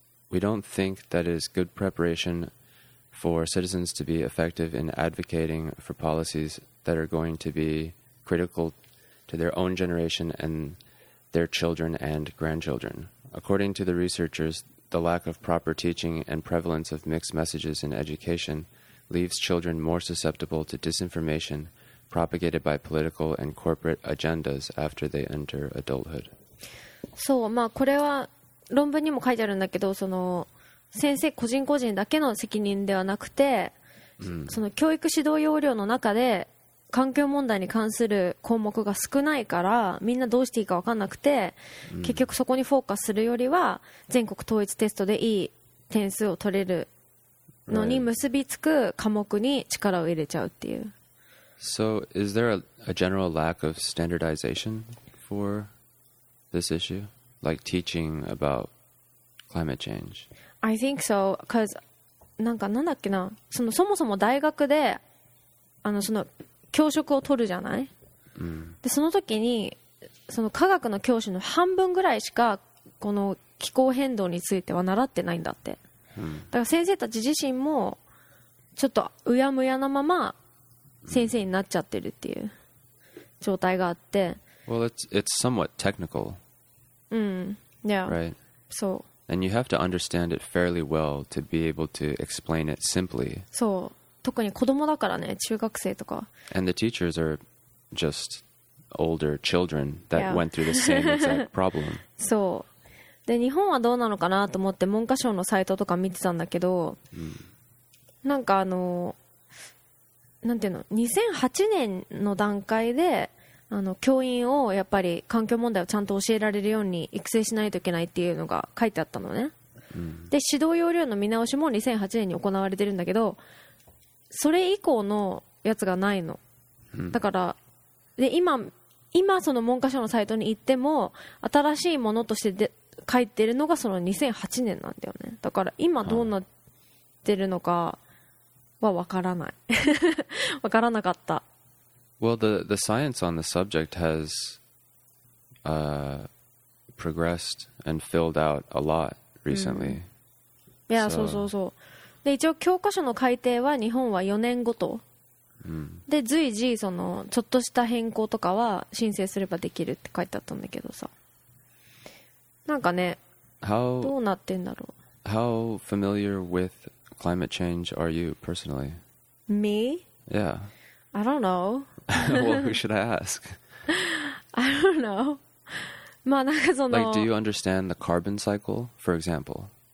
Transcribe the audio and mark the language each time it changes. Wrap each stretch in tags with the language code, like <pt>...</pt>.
<en>We don't think that it is good preparation for citizens to be effective in advocating for policies that are going to be critical to their own generation and their children and grandchildren. According to the researchers, the lack of proper teaching and prevalence of mixed messages in education leaves children more susceptible to disinformationpropagated by political and corporate agendas after they enter adulthood.</en> <ja>そう、まあこれは論文にも書いてあるんだけど、その先生個人個人だけの責任ではなくて、その教育指導要領の中で環境問題に関する項目が少ないからみんなどうしていいか分かんなくて、結局そこにフォーカスするよりは全国統一テストでいい点数を取れるのに結びつく科目に力を入れちゃうっていう。</ja> <en>So, is there a general lack of standardization for this issue, like teaching about climate change? I think so, because,</en> <ja>なんかなんだっけな、そのそもそも大学で、あのその教職を取るじゃない。で、その時にその科学の教師の半分ぐらいしかこの気候変動については習ってないんだって。だから先生たち自身もちょっとうやむやなまま。先生になっちゃってるっていう状態があって。</ja> <en>Well, it's somewhat technical. Yeah. Right. So. And you have to understand it fairly well to be able to explain it simply.</en> <ja>そう。特に子供だからね、中学生とか。</ja> <en>And the teachers are just older children that went through the same exact problem.</en> <ja>そう。で、日本はどうなのかなと思って文科省のサイトとか見てたんだけど、なんかあの。なんていうの、2008年の段階であの教員をやっぱり環境問題をちゃんと教えられるように育成しないといけないっていうのが書いてあったのね。で、指導要領の見直しも2008年に行われてるんだけど、それ以降のやつがないの。だからで、今今その文科省のサイトに行っても新しいものとして書いてるのがその2008年なんだよね。だから今どうなってるのかは分からない分からなかった。</ja> <en>Well, the science on the subject has progressed and filled out a lot recently、</en> <ja>うん、いや、そうそうそう。で、一応教科書の改訂は日本は4年ごと、うん、で随時そのちょっとした変更とかは申請すればできるって書いてあったんだけどさ、なんかね、どうなってんだろう。</ja> <en>How familiar with climate change are you personally? Me? Yeah. I don't know. Well, who should I ask? I don't know. まあなんかその、 Like, do you understand the carbon cycle, for example?</en>